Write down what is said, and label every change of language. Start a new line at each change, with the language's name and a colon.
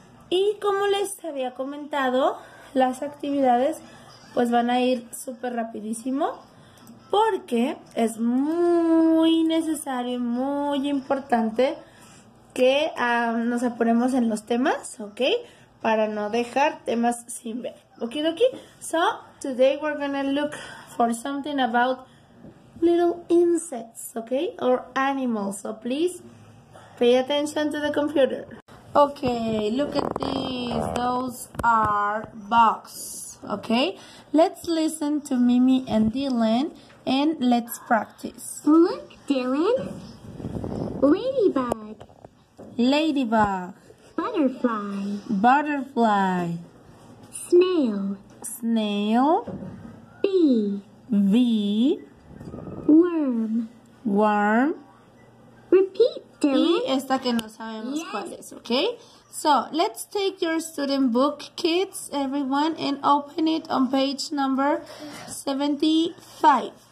Spanish: Y como les había comentado, las actividades pues van a ir súper rapidísimo porque es muy necesario, muy importante que nos apuremos en los temas, ¿ok? Para no dejar temas sin ver.
English: Okidoki, so today we're gonna look for something about little insects, okay, or animals. So please pay attention to the computer. Okay, look at these. Those are bugs. Okay, let's listen to Mimi and Dylan and let's practice. Look, Dylan. Ladybug. Ladybug. Butterfly. Butterfly. Snail. Snail. Bee. Bee. Worm. Worm. Repeat, Dylan.
Spanish: Y esta que no sabemos cuál es, ¿ok?
English: So, let's take your student book, kids, everyone, and open it on page number 75.